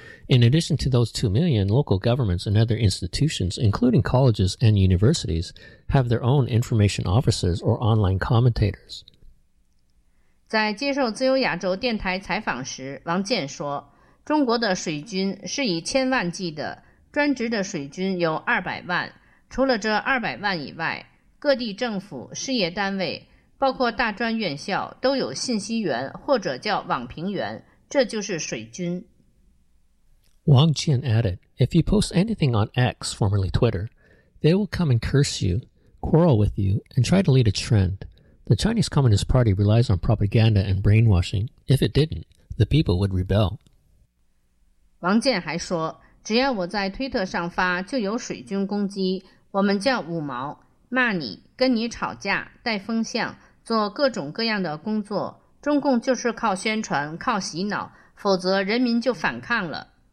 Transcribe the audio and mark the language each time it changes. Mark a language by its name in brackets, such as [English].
[English] In addition to those 2 million, local governments and other institutions, including colleges and universities, have their own information officers or online commentators. [Chinese] 在接受自由亚洲电台采访时，王健说，中国的水军是以千万计的，专职的水军有200万。除了这200万以外，各地政府、事业单位，包括大专院校，都有信息员或者叫网评员，这就是水军。 [English] Wang Qian added, if you post anything on X, formerly Twitter, they will come and curse you, quarrel with you, and try to lead a trend. The Chinese Communist Party relies on propaganda and brainwashing. If it didn't, the people would rebel. [Chinese] 王健还说，只要我在推特上发，就有水军攻击，我们叫五毛，骂你，跟你吵架，带风向，做各种各样的工作，中共就是靠宣传，靠洗脑，否则人民就反抗了。